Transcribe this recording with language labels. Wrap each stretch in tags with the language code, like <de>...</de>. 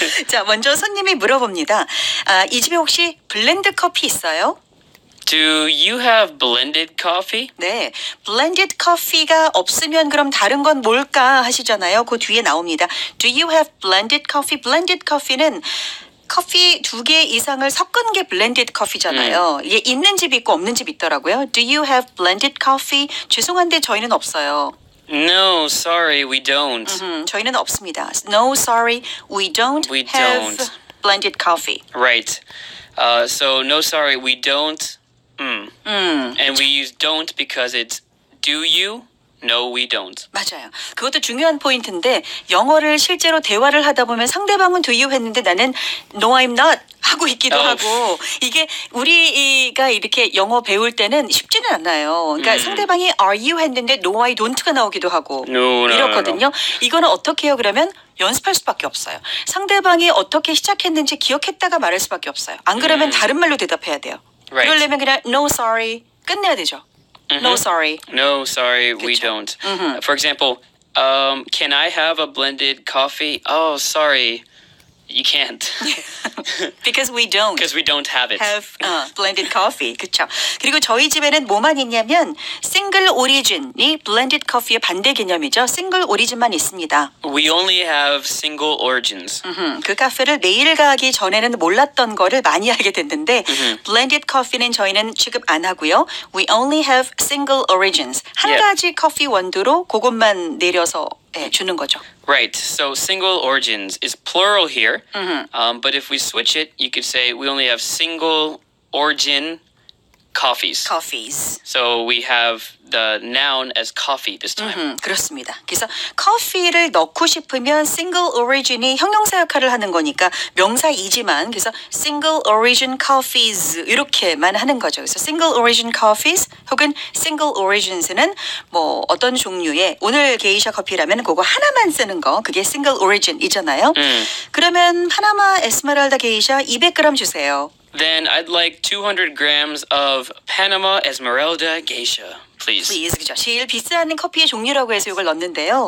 <ko>자, 먼저 손님이 물어봅니다. 아, 이 집에 혹시 블렌드 커피 있어요?</ko> <en>Do you have blended coffee?</en> <ko>네. Blended coffee가 없으면 그럼 다른 건 뭘까 하시잖아요. 그 뒤에 나옵니다.</ko> <en>Do you have blended coffee?</en> <ko>Blended coffee는 커피 두 개 이상을 섞은 게 blended coffee잖아요. 이게 있는 집 있고 없는 집 있더라고요.</ko> <en>Do you have blended coffee?</en> <ko>죄송한데 저희는 없어요.</ko> <en>No, sorry, we don't.</en> <ko>저희는 없습니다.</ko> <en>No, sorry, we don't have blended coffee. Right. So, no, sorry, we don't. And we use don't because it's do you? No, we don't.</en> <ko>맞아요. 그것도 중요한 포인트인데 영어를 실제로 대화를 하다 보면 상대방은</ko> <en>do you</en> <ko>했는데 나는</ko> <en>no, I'm not</en> <ko>하고 있기도 하고 이게 우리가 이렇게 영어 배울 때는 쉽지는 않아요. 그러니까 상대방이</ko> <en>are you</en> <ko>했는데</ko> <en>no, I don't</en> <ko>가 나오기도 하고 이렇거든요.</ko> <en>No, no, no.</en> <ko>이거는 어떻게 해요? 그러면 연습할 수밖에 없어요. 상대방이 어떻게 시작했는지 기억했다가 말할 수밖에 없어요. 안 그러면 다른 말로 대답해야 돼요.</ko> <en>Right.</en> <ko>그러려면 그냥</ko> <en>no, sorry</en> <ko>끝내야 되죠.</ko> <en>No, sorry. No, sorry, we</en> <ko>그쵸.</ko> <en>don't. For example, can I have a blended coffee? Oh, sorry, you can't. Because we don't. Because we don't have it. Have blended coffee,</en> <ko>그렇죠. 그리고 저희 집에는 뭐만 있냐면 single origin이 blended coffee의 반대 개념이죠. Single origin만 있습니다.</ko> <en>We only have single origins.</en> <ko>그 카페를 매일 가기 전에는 몰랐던 거를 많이 알게 됐는데 blended coffee는 저희는 취급 안 하고요.</ko> <en>We only have single origins.</en> <ko>한 가지 커피 원두로 그것만 내려서 주는 거죠.</ko> <en>Right. So single origins is plural here. But if we switch it, you could say we only have single origin coffees. Coffees. So we have the noun as coffee this time.</en> <ko>그렇습니다. 그래서 커피를 넣고 싶으면 single origin이 형용사 역할을 하는 거니까 명사이지만 그래서</ko> <en>single origin coffees</en> <ko>이렇게만 하는 거죠. 그래서 single origin coffees 혹은 single origins는 뭐 어떤 종류의 오늘 게이샤 커피라면 그거 하나만 쓰는 거 그게 single origin이잖아요. 그러면 파나마 에스메랄다 게이샤 200g 주세요.</ko> <en>Then I'd like 200 grams of Panama Esmeralda Geisha, please. Please,</en> <ko>그죠. 제일 비싼 커피의 종류라고 해서 이걸 넣는데요.</ko>